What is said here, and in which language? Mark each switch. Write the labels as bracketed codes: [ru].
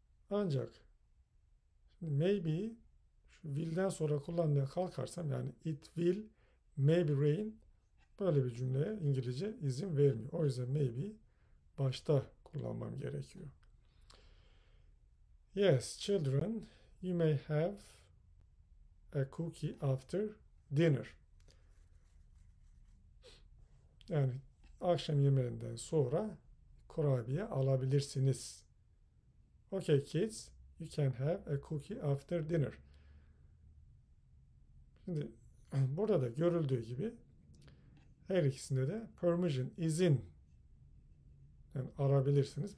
[tr] Ancak şimdi maybe şu will'den sonra kullanmaya kalkarsam yani [en] it will maybe rain [tr] böyle bir cümleye İngilizce izin vermiyor. O yüzden maybe başta kullanmam gerekiyor. [en] Yes, children, you may have a cookie after dinner. [tr] Yani akşam yemeğinden sonra kurabiye alabilirsiniz. [en] Okay, kids, you can have a cookie after dinner. [tr] Şimdi burada da görüldüğü gibi her ikisinde de permission, izin yani arabilirsiniz.